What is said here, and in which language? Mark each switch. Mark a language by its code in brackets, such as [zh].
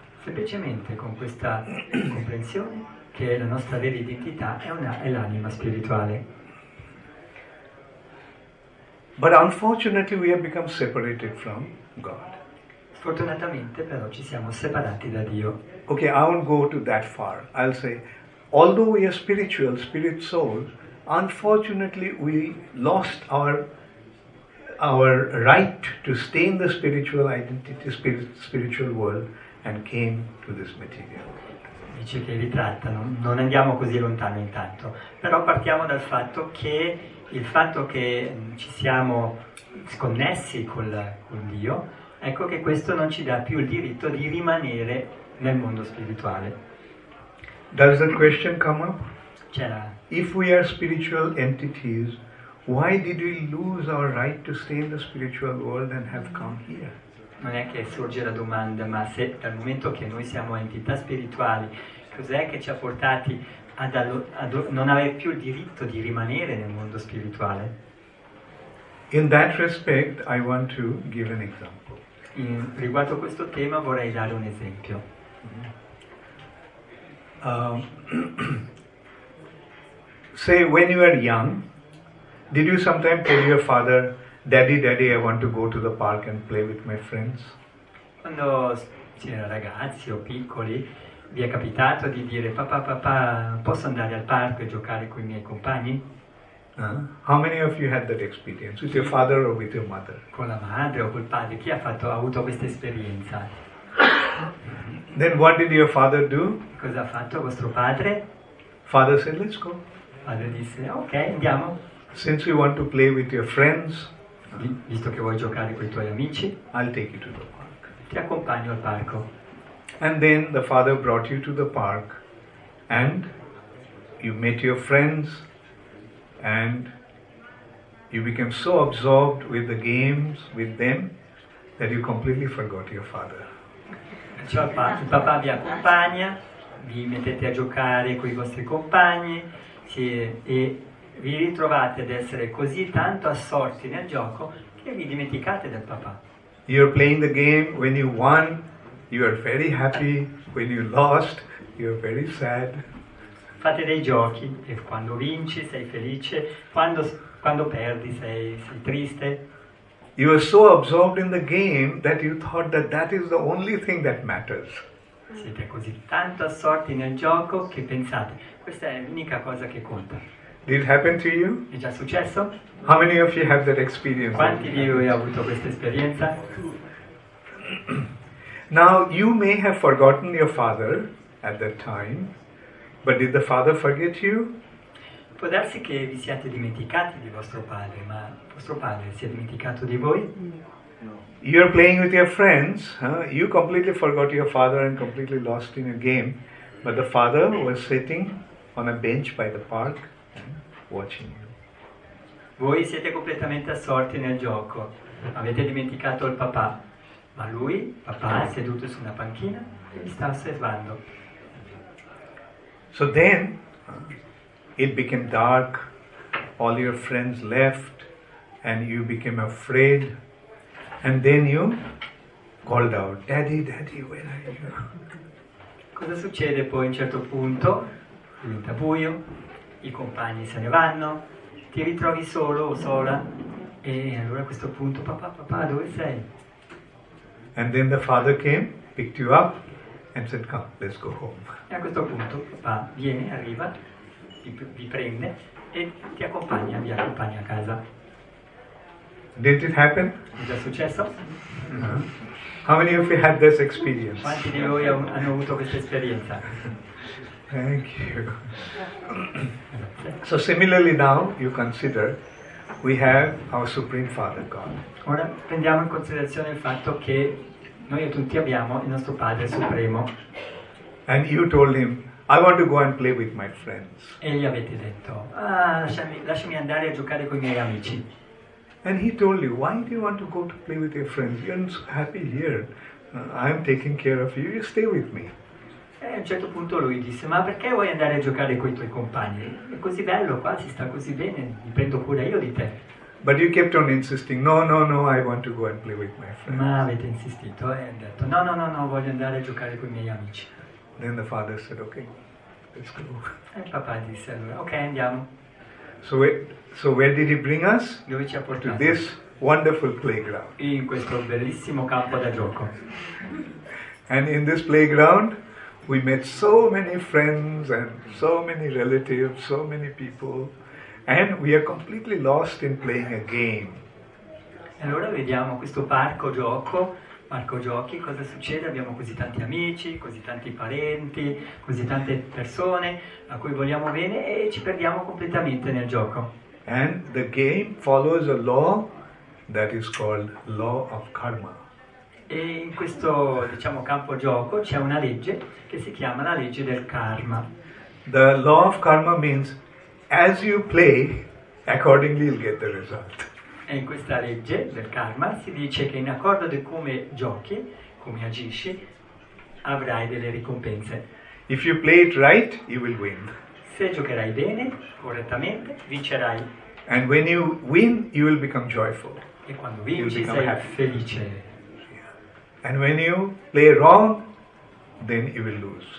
[it] Semplicemente con questa comprensione che la nostra vera identità è l'anima spirituale. [en] But unfortunately we have become separated from God. [it] Fortunatamente però ci siamo separati da Dio. [en] Okay, I won't go to that far. I'll say, although we are spiritual, spirit soul, unfortunately we lost our right to stay in the spiritual identity, spiritual world, and came to this material. [it] Dice che ritrattano, non andiamo così lontano intanto. Però partiamo dal fatto che il fatto che ci siamo sconnessi con Dio, ecco che questo non ci dà più il diritto di rimanere nel mondo spirituale. [en] Does the question come up? [it] C'era. [en] If we are spiritual entities, why did we lose our right to stay in the spiritual world and have come here? [it] Non è che sorge la domanda, ma se dal momento che noi siamo entità spirituali, cos'è che ci ha portati ad non avere più il diritto di rimanere nel mondo spirituale? [en] In that respect, I want to give an example. [it] Riguardo questo tema vorrei dare un esempio. [en] Say, when you were young, did you sometimes tell your father, Daddy, Daddy, I want to go to the park and play with my friends? [it] Quando si era ragazzi o piccoli, vi è capitato di dire, papà, papà, posso andare al parco e giocare con i miei compagni? [en] How many of you had that experience, with your father or with your mother? [it] Con la madre o col padre, chi ha avuto questa esperienza? [en] Then what did your father do? [it] Cosa ha fatto vostro padre? [en] Father said, let's go. [it] Padre disse, ok, andiamo. [en] Since you want to play with your friends, [it] visto che vuoi giocare con i tuoi amici, [en] I'll take you to the park. [it] Ti accompagno al parco. [en] And then the father brought you to the park and you met your friends and you became so absorbed with the games with them that you completely forgot your father. [it] Cioè, il papà vi accompagna, vi mettete a giocare con i vostri compagni e vi ritrovate ad essere così tanto assorti nel gioco che vi dimenticate del papà. [en] You're playing the game, when you won, you are very happy, when you lost, you are very sad. [it] Fate dei giochi e quando vinci sei felice, quando perdi sei triste. [en] You are so absorbed in the game that you thought that that is the only thing that matters. [it] Siete così tanto assorti nel gioco che pensate, questa è l'unica cosa che conta. [en] Did it happen to you? [it] È già successo? [en] How many of you have that experience? [it] Quanti di voi ha avuto questa esperienza? [en] Now, you may have forgotten your father at that time, but did the father forget you? [it] Può darsi che vi siate dimenticati di vostro padre, ma vostro padre si è dimenticato di voi? [en] No. You're playing with your friends, huh? You completely forgot your father and completely lost in a game, but the father was sitting on a bench by the park and watching you. [it] Voi siete completamente assorti nel gioco, avete dimenticato il papà, ma lui, papà, è seduto su una panchina e vi sta osservando. [en] So then, it became dark, all your friends left, and you became afraid, and then you called out, Daddy, Daddy, where are you? [it] Cosa succede poi a un certo punto? Diventa buio, i compagni se ne vanno, ti ritrovi solo o sola, e allora a questo punto, papà, papà, dove sei? [en] And then the father came, picked you up, and said, come, let's go home. [it] E a questo punto papà viene, arriva, vi prende e ti accompagna, vi accompagna a casa. [en] Did it happen? [it] È già successo? [en] How many of you had this experience? [it] Quanti di voi hanno avuto questa esperienza? [en] Thank you. So similarly now, you consider, we have our Supreme Father God. [it] Ora prendiamo in considerazione il fatto che noi tutti abbiamo il nostro Padre Supremo. [en] And you told him, I want to go and play with my friends. [it] E gli avete detto, ah, lasciami andare a giocare con i miei amici. [en] And he told you, why do you want to go to play with your friends? You're so happy here. I'm taking care of you, you stay with me. [it] E a un certo punto lui disse, ma perché vuoi andare a giocare con i tuoi compagni? È così bello qua, si sta così bene, mi prendo cura io di te. [en] But you kept on insisting, no, I want to go and play with my friends. [it] Ma avete insistito e ha detto, no, voglio andare a giocare con i miei amici. [en] Then the father said, okay, let's go. [it] E il papà disse allora, ok, andiamo. [en] So where did he bring us? [it] Dove ci ha portato? [en] To this wonderful playground. [it] In questo bellissimo campo da gioco. [en] And in this playground, we met so many friends and so many relatives, so many people, and we are completely lost in playing a game. [it] Allora vediamo questo parco giochi, cosa succede? Abbiamo così tanti amici, così tanti parenti, così tante persone a cui vogliamo bene e ci perdiamo completamente nel gioco. [en] And the game follows a law that is called law of karma. [it] E in questo, diciamo, campo gioco c'è una legge che si chiama la legge del karma. [en] The law of karma means as you play, accordingly you'll get the result. [it] E in questa legge del karma si dice che in accordo di come giochi, come agisci, avrai delle ricompense. [en] If you play it right, you will win. [it] Se giocherai bene, correttamente, vincerai. [en] And when you win, you will become joyful. [it] E quando vinci sei felice. [en] And when you play wrong, then you will lose.